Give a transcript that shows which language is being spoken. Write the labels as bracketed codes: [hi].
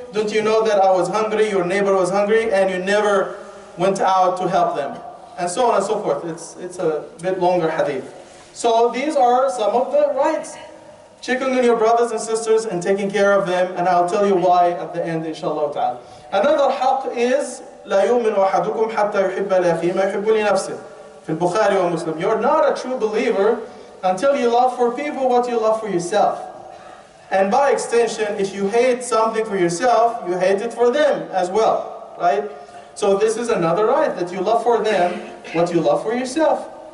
[en] Don't you know that I was hungry, your neighbor was hungry, and you never went out to help them? And so on and so forth. It's a bit longer hadith. So these are some of the rights. Checking on your brothers and sisters and taking care of them, and I'll tell you why at the end, inshallah ta'ala. Another haq is, [ar] لا يؤمن أحدكم حتى يحب لأخيه ما يحب لنفسه. في البخاري ومسلم. [en] You're not a true believer until you love for people what you love for yourself. And by extension, if you hate something for yourself, you hate it for them as well, right? So this is another right, that you love for them what you love for yourself.